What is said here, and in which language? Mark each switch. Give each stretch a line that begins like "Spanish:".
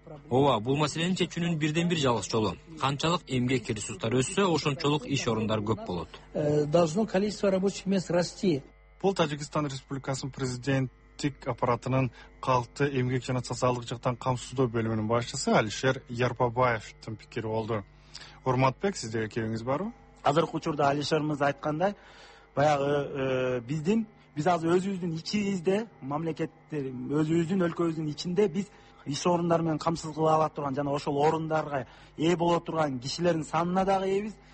Kyrgyz: Ооба, бул маселени чечүүнүн бирден бир жалгыз жолу. Канчалык эмгек ресурстары өссө, ошончолук иш орундар көп болот.
Russian: Должно количество рабочих мест расти.
Kyrgyz: Бул Тажикстан Республикасынын президенттик аппаратынын калкты эмгек жана социалдык жактан камсыздоо бөлүмүнүн башчысы Алишер Ярбабаевдин пикири болду. Урматбек, сиздерге кебиңиз барбы? Азыркы учурда Алишерибиз айткандай, баягы биздин Биз азыр өзүбүздүн ичибизде, мамлекеттер өзүбүздүн өлкөбүздүн ичинде биз иш орундар менен камсыз кыла ала турган жана ошол орундарга ээ боло турган кишилердин санына дагы ээбиз.